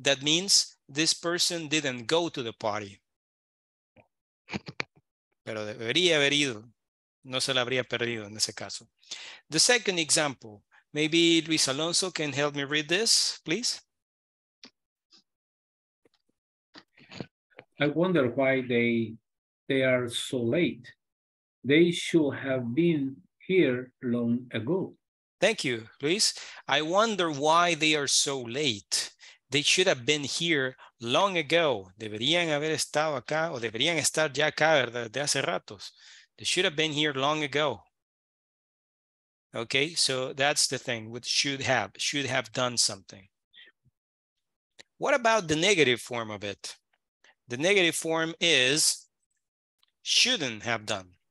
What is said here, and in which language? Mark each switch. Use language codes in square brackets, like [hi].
[en] That means this person didn't go to the party. [es] Pero debería haber ido. No se la habría perdido en ese caso. [en] The second example. Maybe Luis Alonso can help me read this, please. I wonder why they are so late. They should have been here long ago. Thank you, Luis. I wonder why they are so late. They should have been here long ago. [es] Deberían haber estado acá o deberían estar ya acá, ¿verdad? De hace ratos. [en] They should have been here long ago. Okay, so that's the thing with should have done something. What about the negative form of it? The negative form is shouldn't have done.